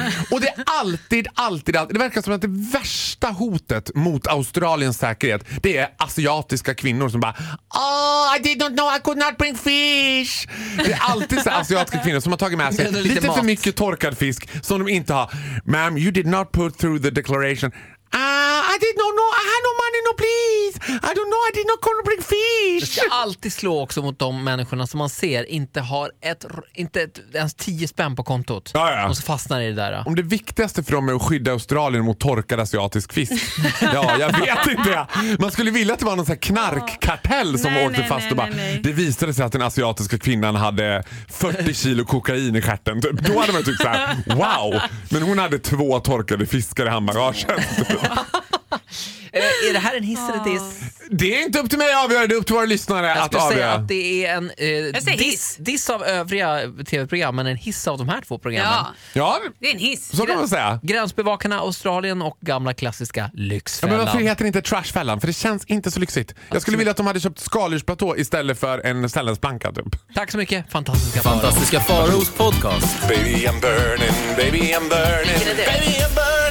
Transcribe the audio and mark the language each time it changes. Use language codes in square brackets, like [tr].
[sv] Och det är alltid. Det verkar som att det värsta hotet mot Australiens säkerhet, det är asiatiska kvinnor som bara, [en] oh, I didn't know I could not bring fish. [sv] Det är alltid så asiatiska kvinnor som har tagit med sig lite för mycket torkad fisk som de inte har. [en] Ma'am, you did not put through the declaration. I did not know, I had no money, no please. I don't know, I did not come to bring fish. [sv] Det ska alltid slå också mot de människorna som man ser inte har ens 10 spänn på kontot. Ja, ja. Och så fastnar i det där. Om det viktigaste för dem är att skydda Australien mot torkad asiatisk fisk. Ja, jag vet inte. Man skulle vilja att det var någon sån här knarkkartell som åkte fast. Det visade sig att den asiatiska kvinnan hade 40 kilo kokain i stjärten. Då hade man tyckt så här, wow. Men hon hade 2 torkade fiskar i handbagagen. Är det här en hiss eller diss? Det är inte upp till mig att avgöra, det är upp till våra lyssnare att avgöra. Jag skulle säga att det är en diss av övriga tv-program, men en hiss av de här två programmen. Ja, det är en hiss. Så kan man säga. Gränsbevakarna Australien och gamla klassiska Lyxfällan. Ja, men varför heter det inte Trashfällan? För det känns inte så lyxigt. Jag skulle vilja att de hade köpt skaldjursplatå istället för en sällensplanka typ. Tack så mycket. Fantastiska Faros podcast. [en] Baby I'm burning, baby I'm burning, baby I'm burning.